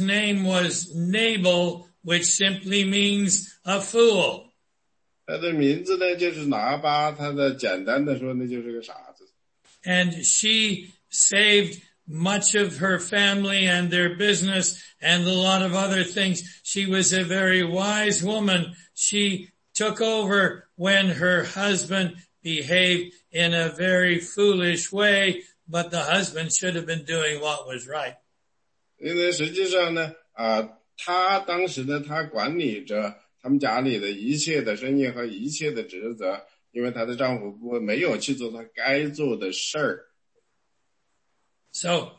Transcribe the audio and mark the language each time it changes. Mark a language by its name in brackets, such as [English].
[English] name was Nabal, which simply means a fool. [Chinese] 她的名字呢就是拿巴，她的简单的说呢就是个傻子。 [English] And she saved much of her family and their business and a lot of other things. She was a very wise woman. She took over when her husband behaved in a very foolish way, but the husband should have been doing what was right. [Chinese] 因为实际上呢，她当时呢，她管理着他们家里的一切的生意和一切的职责，因为她的丈夫没有去做他该做的事儿。 [English] So